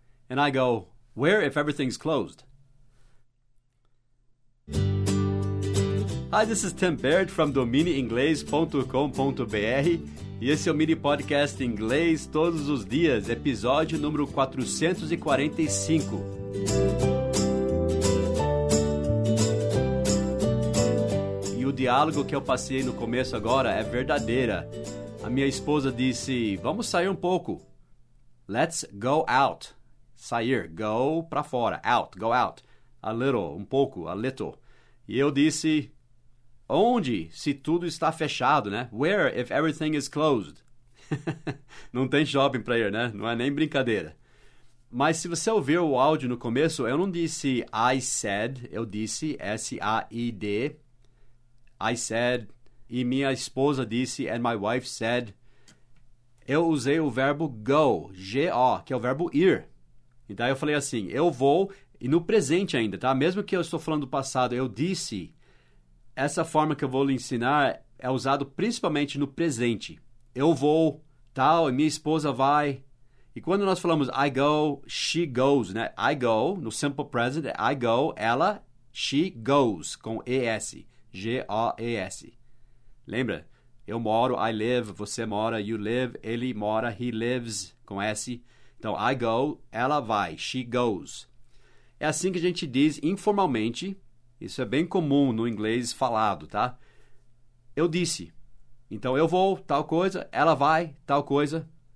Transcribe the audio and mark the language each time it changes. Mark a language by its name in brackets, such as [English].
[English] And I go, "Where if everything's closed?" Hi, this is Tim Baird from [Portuguese] DominioInglês.com.br e esse é o mini podcast Inglês Todos os Dias, episódio número 445. E o diálogo que eu passei no começo agora é verdadeira. A minha esposa disse, "Vamos sair um pouco." [English] Let's go out. [Portuguese] Sair, go pra fora. Out, [English] go out. [Portuguese] A little, um pouco, [English] a little. [Portuguese] E eu disse, onde se tudo está fechado, né? [English] Where if everything is closed? [Portuguese] Não tem shopping pra ir, né? Não é nem brincadeira. Mas se você ouviu o áudio no começo, eu não disse [English] I said. [Portuguese] Eu disse S-A-I-D. [English] I said. [Portuguese] E minha esposa disse, [English] and my wife said. [Portuguese] Eu usei o verbo go, G-O, que é o verbo ir. Então, eu falei assim, eu vou, e no presente ainda, tá? Mesmo que eu estou falando do passado, eu disse, essa forma que eu vou lhe ensinar é usado principalmente no presente. Eu vou, tal, e minha esposa vai. E quando nós falamos [English] I go, she goes, [Portuguese] né? [English] I go, [Portuguese] no simple present, I go, ela, [English] she goes, [Portuguese] com E-S, G-O-E-S. Lembra? Eu moro, [English] I live, [Portuguese] você mora, [English] you live, [Portuguese] ele mora, [English] he lives, [Portuguese] com S. Então, [English] I go, [Portuguese] ela vai, [English] she goes. [Portuguese] É assim que a gente diz informalmente, isso é bem comum no inglês falado, tá? Eu disse, então eu vou, tal coisa, ela vai, tal coisa.